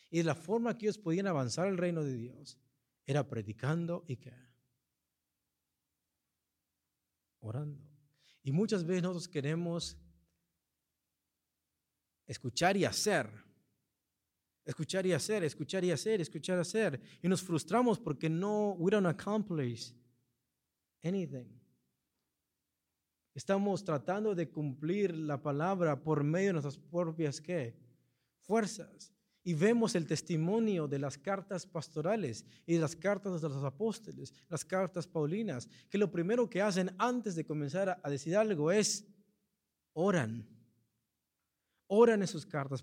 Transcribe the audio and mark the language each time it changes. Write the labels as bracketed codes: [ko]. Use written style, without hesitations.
[es] Y la forma que ellos podían avanzar el reino de Dios era predicando y ¿qué? Orando. Y muchas veces nosotros queremos escuchar y hacer. Escuchar y hacer, escuchar y hacer, escuchar y hacer. Y nos frustramos porque no, [en] we don't accomplish anything. [es] Estamos tratando de cumplir la palabra por medio de nuestras propias, ¿qué? Fuerzas. y vemos el testimonio de las cartas pastorales y de las cartas de los apóstoles, las cartas paulinas, que lo primero que hacen antes de comenzar a decir algo es oran. Oran en sus cartas.